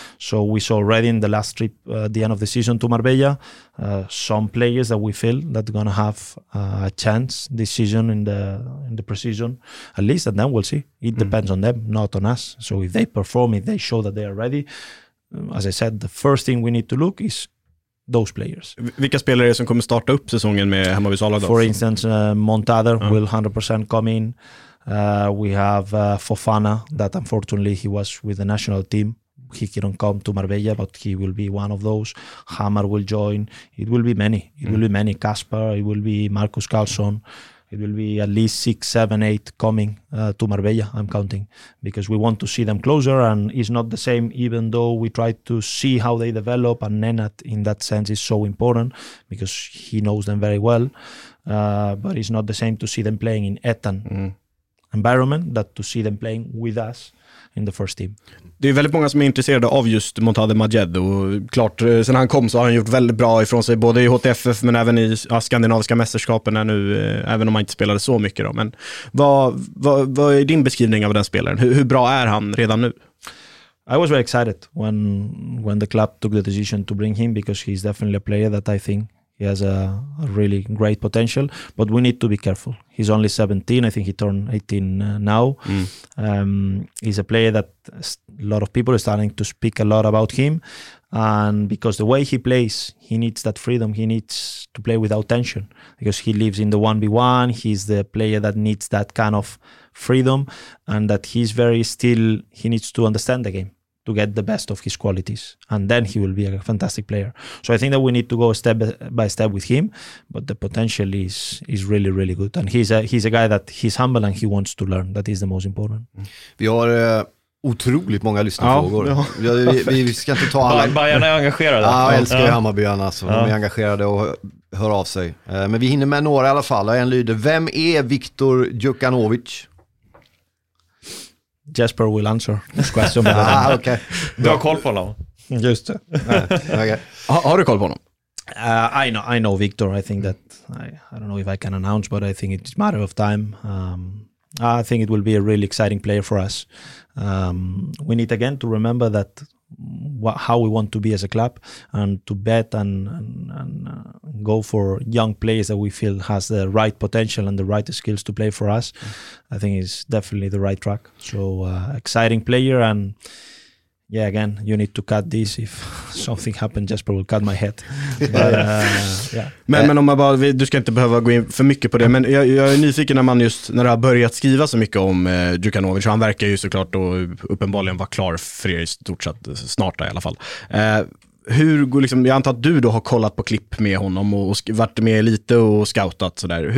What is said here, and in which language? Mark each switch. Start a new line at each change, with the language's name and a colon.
English: So we saw already in the last trip, at the end of the season to Marbella, some players that we feel that are going to have a chance this season in the preseason, at least, and then we'll see. It depends on them, not on us. So if they perform, if they show that they are ready, as I said, the first thing we need to look is those players.
Swedish: Vilka spelare som kommer starta upp säsongen med Hammarby Sala då?
English: For instance, Montada will 100% come in. We have Fofana, that unfortunately he was with the national team. He couldn't come to Marbella, but he will be one of those. Hammar will join. It will be many. It will be many. Kasper, it will be Marcus Karlsson. It will be at least 6, 7, 8 coming to Marbella, I'm counting, because we want to see them closer, and it's not the same, even though we try to see how they develop, and Nenad in that sense is so important because he knows them very well. But it's not the same to see them playing in Etan environment that to see them playing with us in the first team.
Swedish: Det är väldigt många som är intresserade av just Montade Majed, och klart, sen han kom så har han gjort väldigt bra ifrån sig, både i HTFF men även i skandinaviska mästerskapen nu, även om han inte spelade så mycket då. Men vad är din beskrivning av den spelaren? Hur bra är han redan nu?
English: I was very excited when the club took the decision to bring him, because he's definitely a player that I think he has a really great potential, but we need to be careful. He's only 17. I think he turned 18 now. He's a player that a lot of people are starting to speak a lot about him. And because the way he plays, he needs that freedom. He needs to play without tension, because he lives in the 1v1. He's the player that needs that kind of freedom, and that he's very still, he needs to understand the game to get the best of his qualities, and then he will be a fantastic player. So I think that we need to go step by step with him, but the potential is really, really good. And he's a guy that he's humble and he wants to learn. That is the most important.
Swedish: Vi har otroligt många lyssnarfrågor. Ja, ja. Vi ska inte ta alla. Bajarna är engagerade. Ja, jag älskar Hammarbyarna, alltså. Ja. De är engagerade och hör av sig. Men vi hinner med några i alla fall. En lyder: vem är Viktor Djukanovic?
English: Jesper will answer this question. Okay.
Swedish: Du har koll på honom. Just det. Har du koll på honom?
English: I know Victor. I think that I don't know if I can announce, but I think it's a matter of time. I think it will be a really exciting player for us. We need again to remember that how we want to be as a club, and to bet and go for young players that we feel has the right potential and the right skills to play for us. I think is definitely the right track. So exciting player, and yeah, again, you need to cut this. If something happened, Jesper will cut my head. Yeah.
Swedish: Men om man bara, du ska inte behöva gå in för mycket på det, men jag är nyfiken när det har börjat skriva så mycket om Djukanovic. Han verkar ju såklart och uppenbarligen vara klar för er i stort sett snart i alla fall. Hur går liksom, jag antar att du då har kollat på klipp med honom och varit med lite och scoutat sådär.